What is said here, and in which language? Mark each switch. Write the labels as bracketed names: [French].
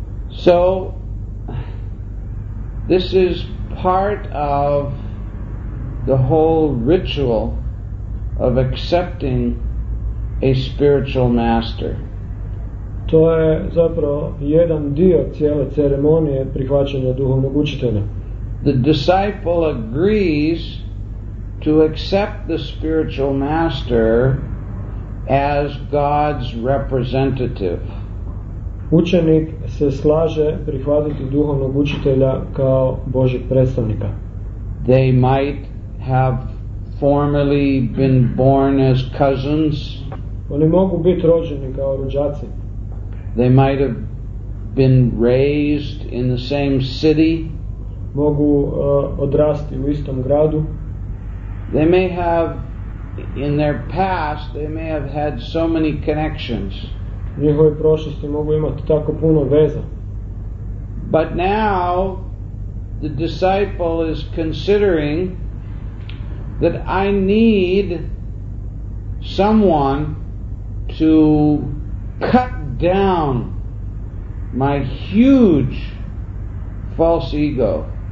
[English] So this is part of the whole ritual of accepting a spiritual master. [Croatian] To je zapravo jedan dio cijele ceremonije prihvaćanja duhovnog učitelja. [English] The disciple agrees to accept the spiritual master as God's representative. [Croatian] Učenik se slaže prihvatiti duhovnog učitelja kao Božeg predstavnika. [English] They might have formerly been born as cousins. [Croatian] Oni mogu biti rođeni kao rođaci. [English] They might have been raised in the same city. [Croatian] Mogu odrasti u istom gradu. [English] They may have, in their past, they may have had so many connections. [Croatian] Njihove prošlosti mogu imati tako puno veza. [English] But now, the disciple is considering that I need someone to cut down my huge false ego.